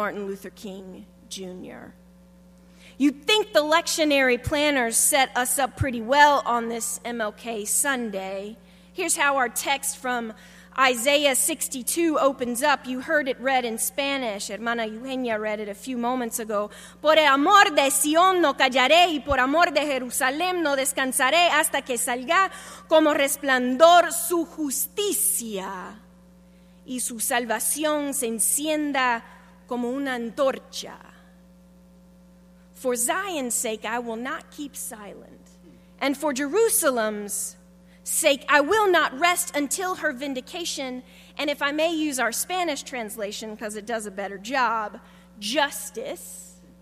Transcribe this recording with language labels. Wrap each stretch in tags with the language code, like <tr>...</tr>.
<en>Martin Luther King, Jr.? You'd think the lectionary planners set us up pretty well on this MLK Sunday. Here's how our text from Isaiah 62 opens up. You heard it read in Spanish. Hermana Eugenia read it a few moments ago.</en> <es>Por el amor de Sion no callaré, y por amor de Jerusalén no descansaré hasta que salga como resplandor su justicia y su salvación se encienda como una antorcha.</es> <en>For Zion's sake, I will not keep silent. And for Jerusalem's sake, I will not rest until her vindication, and if I may use our Spanish translation because it does a better job, justice.</en>